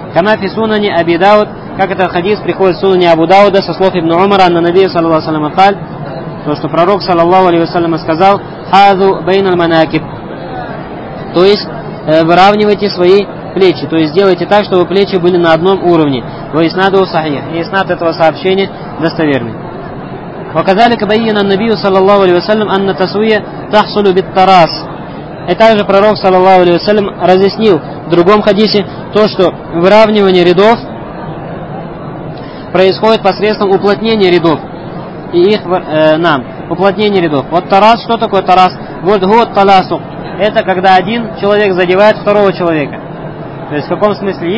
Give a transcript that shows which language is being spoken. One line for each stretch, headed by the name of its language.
Arabic: Канафи сунани Аби Дауд,
Russian: как этот хадис приходит в сунане Абу Дауда со слов Ибн Умара,
Arabic: анна Набия, саллаллаху алейхи ва саллям,
Russian: то, что пророк, саллаллаху алейхи ва саллям, сказал,
Arabic: хазу бейн аль-манакиб,
Russian: то есть выравнивайте свои плечи, то есть делайте так, чтобы плечи были на одном уровне.
Arabic: Ва иснаду сахих,
Russian: и иснад этого сообщения достоверный.
Arabic: وكذلك بين النبي صلى الله عليه وسلم أن التسوية تحصل بالتراس.
Russian: И также пророк саллаллаху алейхи ва саллям разъяснил в другом хадисе то, что выравнивание рядов происходит посредством уплотнения рядов и их нам уплотнение рядов. Вот тарас, что такое тарас? Вот год таласу. Это когда один человек задевает второго человека. То есть в каком смысле?